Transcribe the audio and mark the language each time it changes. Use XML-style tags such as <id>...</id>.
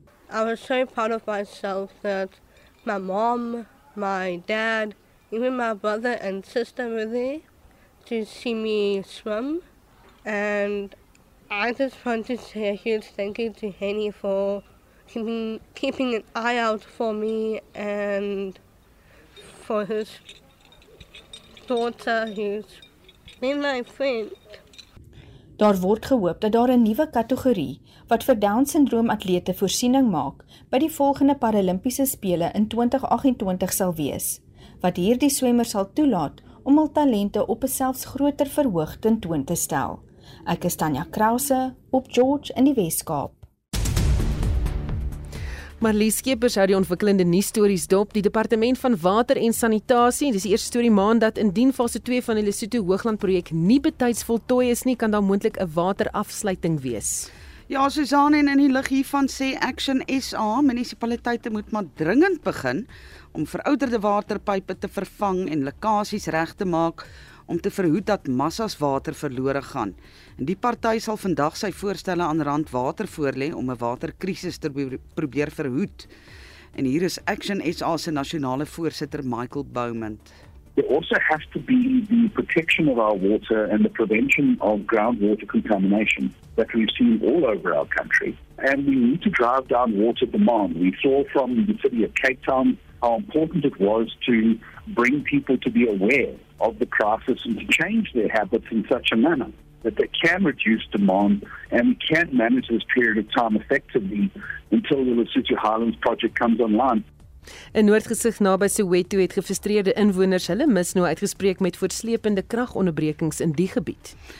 <en>I was so proud of myself that my mom, my dad, even my brother and sister were there to see me swim, and I just want to say a huge thank you to Henny for keeping an eye out for me and for his daughter who's been my friend.</en> <af>Daar word gehoop dat daar 'n nuwe kategorie wat vir Down-syndroom atlete voorsiening maak by die volgende Paralympiese Spele in 2028 sal wees, wat hierdie swemmers sal toelaat om hul talente op 'n selfs groter verhoog tentoon te stel. Ek is Tanya Krause op George in die Wes-Kaap. Marlies Skeepers hou die ontwikkelende nuusstories dop. Die departement van water en sanitasie, dis die eerste storie maand dat indien fase 2 van die Lesotho Hoogland projek nie betyds voltooi is nie, kan daar moontlik 'n waterafsluiting wees. Ja, Suzanne, en in die lig hiervan sê Action SA, munisipaliteite moet maar dringend begin om verouderde waterpype te vervang en lekkasies reg te maak om te verhoed dat massas water verlore gaan. En die party sal vandag sy voorstelle aan Rand Water voorlê om 'n waterkrisis te probeer verhoed. En hier is Action SA se nasionale voorsitter Michael Bowman.</af> <en>There also has to be the protection of our water and the prevention of groundwater contamination that we've seen all over our country. And we need to drive down water demand. We saw from the city of Cape Town how important it was to bring people to be aware of the crisis and to change their habits in such a manner that they can reduce demand and can manage this period of time effectively until the Lesotho Highlands project comes online.</en> <af>In Noordgesig naby Soweto het gefrustreerde inwoners hulle misnoo uitgespreek met voortsleepende kragonderbrekings in die gebied.</af>